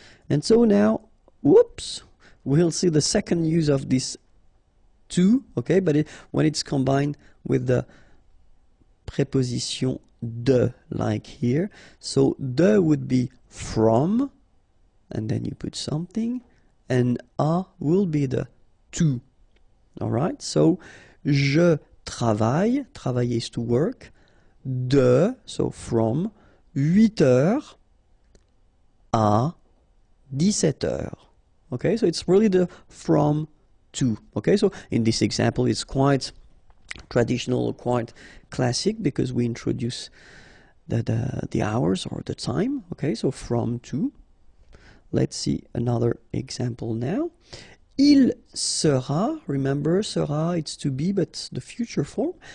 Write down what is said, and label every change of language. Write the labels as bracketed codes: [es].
[en] And so now, whoops, we'll see the second use of this to, okay? But when it's combined with the preposition de, like here. So de would be from, and then you put something, and à will be the to. All right? So [fr] je travaille, [en] travailler is to work, de, so from, [fr] 8 heures à 17 heures. [en] Okay, so it's really the from to. Okay, so in this example, it's quite traditional, quite classic, because we introduce the hours or the time. Okay, so from to. Let's see another example now. [fr] Il sera, [en] remember, sera, it's to be, but the future form.